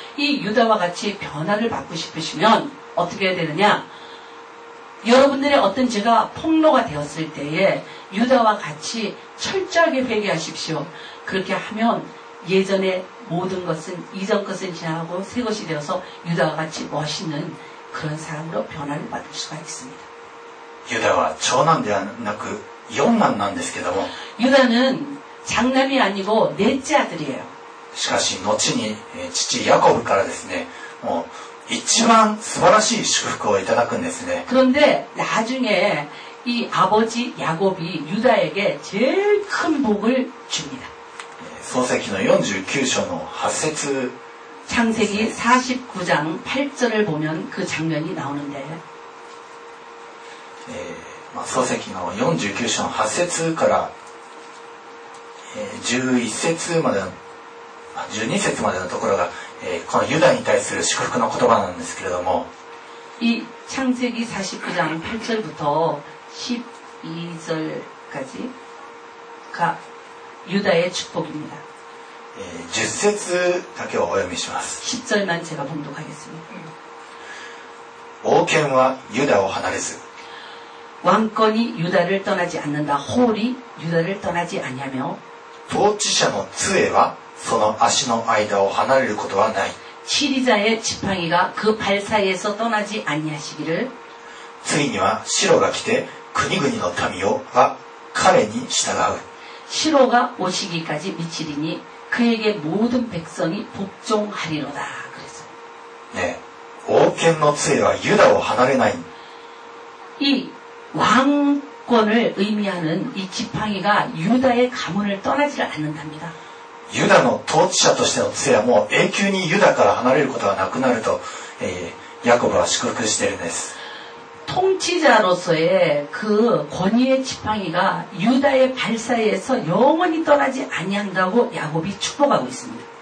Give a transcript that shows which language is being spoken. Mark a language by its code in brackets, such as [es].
[ko] 이유다와같이변화를받고싶으시면어떻게해야되느냐여러분들의어떤죄가폭로가되었을때에유다와같이철저하게회개하십시오그렇게하면예전의모든것은이전것은지나고새것이되어서유다와같이멋있는그런사람으로변화를받을수가있습니다 [ja] 유다와長男ではなく四男なんですけども [ko] 유다는장남이아니고넷째아들이에요 [ja] しかし後に父ヤコブからですね一番素晴らしい祝福をいただくんですね [ko] 그런데나중에이아버지야곱이유다에게제일큰복을줍니다 [ja] 創世記の49章の8節 [ko] 창세기49장8절을보면그장면이나오는데 [ja] 創世記の49章8節から11節までの12節までのところがこのユダに対する祝福の言葉なんですけれども [ko] 창세기49장8절부터12절까지가유다의축복입니다 [ja] 10節だけをお読みします [ko] 10절만제가봉독하겠습니다 [ja] 王権はユダを離れず [ko] 왕권이유다를떠나지않는다홀이유다를떠나지않냐며 [ja] 統治者の杖はその足の間を離れることはない [ko] 치리자의지팡이가그발사이에서떠나지아니하시기를 [ja] ついには白が来て国々の民よが彼に従う [ko] 白が오시기까지미치리니그에게모든백성이복종하리로다그래서 [ja] 네王権の杖はユダを離れない [ko] 이왕권을의미하는이지팡이가유다의가문을떠나지않는답니다 [ja] ユダの統治者としての杖はもう永久にユダから離れることがなくなると、ヤコブは祝福しているんです。 [ko] 統治者로의그권위의지팡이가유다의발사이에서영원히떠나지아니한다고야곱이축복하고있습니다